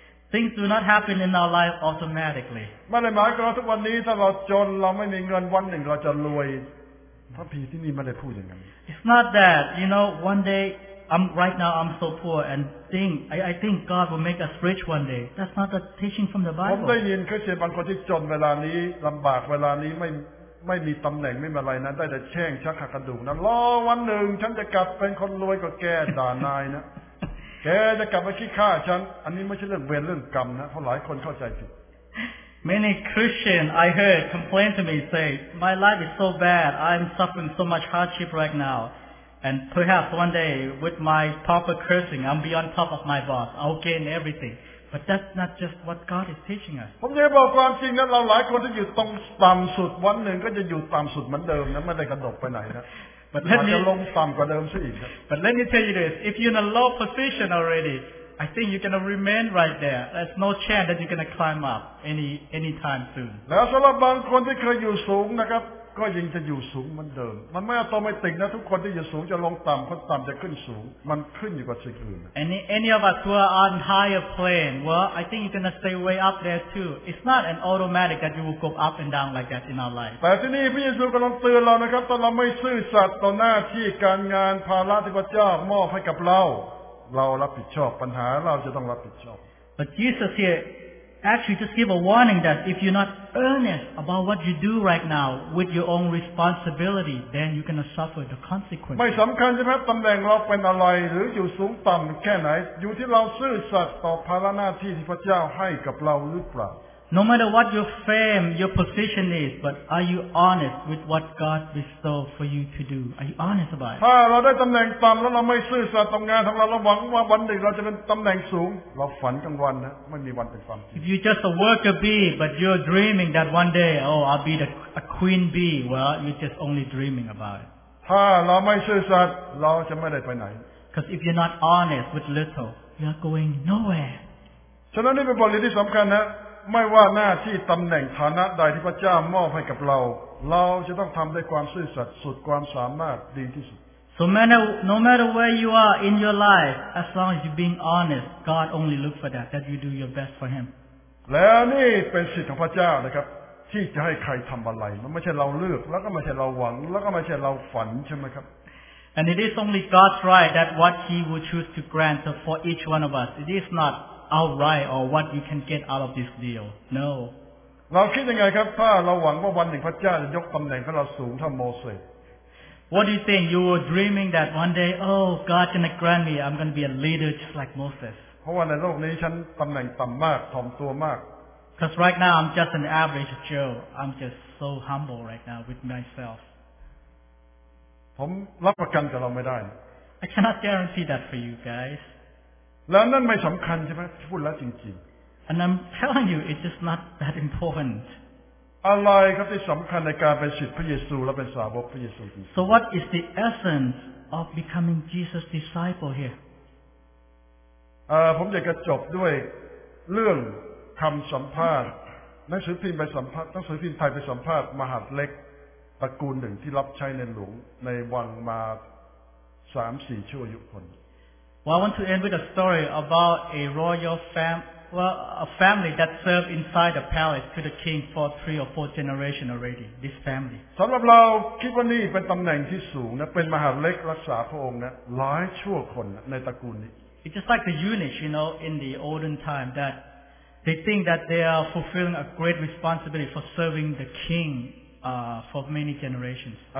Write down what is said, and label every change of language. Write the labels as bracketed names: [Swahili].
[English] Things do not happen in our life automatically. It's not that, you know, one day, right now I'm so poor and I think God will make us rich one day. That's not the teaching from the Bible. [Thai] ผมได้ยินคริสเตียนบางคนที่จนเวลานี้ลำบากเวลานี้ไม่มีตำแหน่งไม่มีอะไรนะได้แต่แช่งชักขากระดูกนะรอวันหนึ่งฉันจะกลับเป็นคนรวยกว่าแกด่านายนะแกจะกลับมาคิดฆ่าฉันอันนี้ไม่ใช่เรื่องเวรเรื่องกรรมนะเพราะหลายคนเข้าใจผิด [English] Many Christians I heard complain to me, say, my life is so bad, I'm suffering so much hardship right now, and perhaps one day, with my proper cursing, I'll be on top of my boss, I'll gain everything. But that's not just what God is teaching us. [Thai] ผมจะบอกความจริงนะเราหลายคนที่อยู่ตรงต่ำสุดวันหนึ่งก็จะอยู่ต่ำสุดเหมือนเดิมนะไม่ได้กระโดดไปไหนนะ [English] But let me tell you this, if you're in a low position already, I think you're going to remain right there. There's no chance that you're going to climb up any time soon. [Thai] แล้วสําหรับบางคนที่เคยอยู่สูงนะครับก็ยังจะอยู่สูงเหมือนเดิมมันไม่อัตโนมัตินะทุกคนที่อยู่สูงจะลงต่ำคนต่ำจะขึ้นสูงมันขึ้นอยู่กับสิ่งอื่น [English] Any of us who are on higher plane, well, I think you're going to stay way up there too. It's not an automatic that you will go up and down like that in our life. [Thai] แต่ที่นี่พระเยซูกำลังเตือนเรานะครับตอนเราไม่ซื่อสัตย์ต่อหน้าที่การงานภาระที่พระเจ้ามอบให้กับเรารับผิดชอบปัญหาเราจะต้องรับผิดชอบ [English] But Jesus hereActually, just give a warning that if you're not earnest about what you do right now with your own responsibility, then you're going to suffer the consequences. [Thai] ไม่สำคัญใช่ไหมตำแหน่งเราเป็นอะไรหรืออยู่สูงต่ำแค่ไหนอยู่ที่เราซื่อสัตย์ต่อภาระหน้าที่ที่พระเจ้าให้กับเราหรือเปล่า [English] No matter what your fame, your position is, but are you honest with what God bestowed for you to do? Are you honest about it? [Thai] ถ้าเราได้ตำแหน่งต่ำแล้วเราไม่ซื่อสัตย์ทำงานของเราเราหวังว่าวันหนึ่งเราจะเป็นตำแหน่งสูงเราฝันกลางวันนะไม่มีวันเป็นความจริง [English] If you're just a worker bee, but you're dreaming that one day, oh, I'll be a queen bee, well, you're just only dreaming about it. [Thai] ถ้าเราไม่ซื่อสัตย์เราจะไม่ได้ไปไหน [English] Because if you're not honest with little, you're going nowhere. [Thai] ฉะนั้นนี่เป็นบทเรียนที่สำคัญนะไม่ว่าหน้าที่ตำแหน่งฐานะใดที่พระเจ้ามอบให้กับเราเราจะต้องทำด้วยความซื่อสัตย์สุดความสามารถดีที่สุด [English] So no matter where you are in your life as long as you're being honest God only looks for that you do your best for him [Thai] แล้วนี่เป็นสิทธิของพระเจ้านะครับที่จะให้ใครทำอะไรมันไม่ใช่เราเลือกแล้วก็ไม่ใช่เราหวังแล้วก็ไม่ใช่เราฝันใช่ไหมครับ [English] And it is only God's right that what he will choose to grant for each one of us it is notOutright or what you can get out of this deal? No. [Thai] เราคิดยังไงครับถ้าเราหวังว่าวันหนึ่งพระเจ้าจะยกตำแหน่งของเราสูงเท่าโมเสส [English] What do you think? You were dreaming that one day, oh, God's gonna grant me. I'm gonna be a leader just like Moses. [Thai] เพราะว่าในโลกนี้ฉันตำแหน่งต่ำมากถ่อมตัวมาก [English] Because right now I'm just an average Joe. I'm just so humble right now with myself. [Thai] ผมรับประกันกับเราไม่ได้ [English] I cannot guarantee that for you guys. [Thai] แล้วนั่นไม่สำคัญใช่ไหมพูดแล้วจริง [English] ๆ And I'm telling you it's just not that important [Thai] อะไรครับที่สำคัญในการเป็นศิษย์พระเยซูและเป็นสาวกพระเยซูจริง [English] ๆ So what is the essence of becoming Jesus' disciple here [Thai] ผมอยากจะจบด้วยเรื่องคำสัมภาษณ์หนังสือพิมพ์ไปสัมภาษณ์หนังสือพิมพ์ไทยไปสัมภาษณ์มหาดเล็กตระกูลหนึ่งที่รับใช้ในหลวงในวังมา 3-4 ชั่วอายุคน [English] Well, I want to end with a story about a royal a family that served inside the palace to the king for 3 or 4 generations already. This family. [Thai] สำหรับเราคิดว่านี่เป็นตำแหน่งที่สูงนะเป็นมหาเล็กรักษาพระองค์นะหลายชั่วคนในตระกูลนี้ [English] It's just like the eunuchs, you know, in the olden time that they think that they are fulfilling a great responsibility for serving the king for many generations.